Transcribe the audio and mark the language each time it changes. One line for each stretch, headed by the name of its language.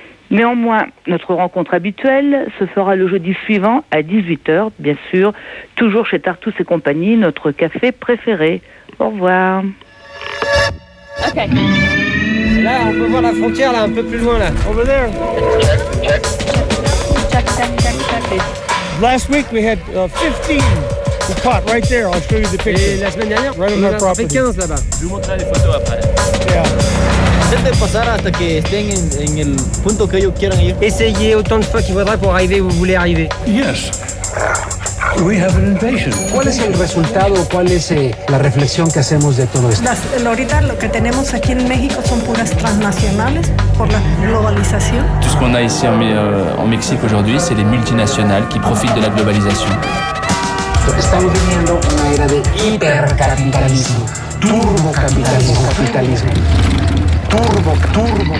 French: Néanmoins, notre rencontre habituelle se fera le jeudi suivant à 18h, bien sûr, toujours chez Tartuffe et compagnie, notre café préféré. Au revoir.
English: Ok.
French: Là, on peut voir la frontière, là, un peu plus loin, là.
English: Over there. Last week, we had 15 who caught right there. I'll show you the picture.
French: Et la semaine dernière,
English: right on our property.
French: 15 là-bas. Je vous montrerai les photos après.
English: Yeah.
Spanish: Passer hasta que estén en el punto que ellos quieran ir.
French: Essayez autant de fois qu'il faudra pour arriver où vous voulez arriver.
English: Yes. We have an invasion.
Spanish: ¿Cuál es el resultado? ¿Cuál es la reflexión que hacemos de todo esto? Ahorita lo que tenemos aquí en México son puras transnacionales por la globalización.
French: Tout ce qu'on a ici en Mexique aujourd'hui, c'est les multinationales qui profitent de la globalisation.
Spanish: Estamos viviendo una era de hipercapitalismo, turbocapitalismo. Turbo.